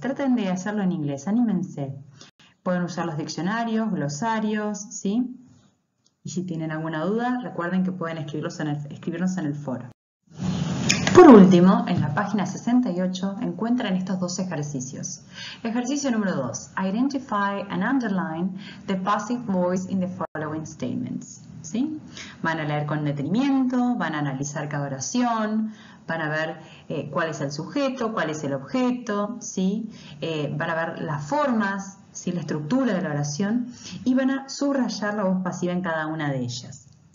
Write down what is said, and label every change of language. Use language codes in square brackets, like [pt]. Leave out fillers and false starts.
[es] Traten de hacerlo en inglés, anímense. Pueden usar los diccionarios, glosarios, ¿sí? Y si tienen alguna duda, recuerden que pueden escribirnos en el foro. Por último, en la página 68, encuentran estos dos ejercicios. Ejercicio número 2. [en] Identify and underline the passive voice in the following statements. [es] ¿Sí? Van a leer con detenimiento, van a analizar cada oración, van a ver cuál es el sujeto, cuál es el objeto, ¿sí? Van a ver las formas. ¿Sí? La estructura de la oración, y van a subrayar la voz pasiva en cada una de ellas.